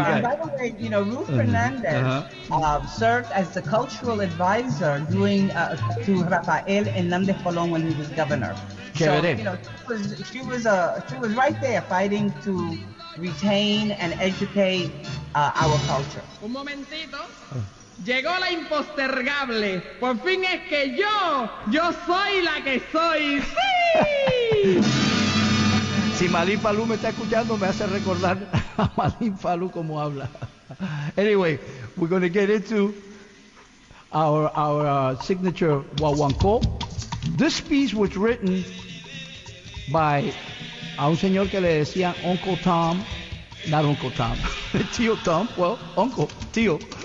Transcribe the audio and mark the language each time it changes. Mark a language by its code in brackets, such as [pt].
[en] And by the way, you know, Ruth Hernandez served as the cultural advisor to Rafael Hernandez Colón when he was governor. [es] Que [en] so, you know, she was right there fighting to retain and educate our culture. [es] Un momentito. Llegó la impostergable. Por fin es que yo soy la que soy. ¡Sí! Si Malin Falú me está escuchando, me hace recordar a Malin Falú como habla. [en] Anyway, we're going to get into our signature guaguancó. This piece was written by [es] a un señor que le decía [en] Uncle Tom. Not Uncle Tom. Tío Tom. Well, Uncle. Tío.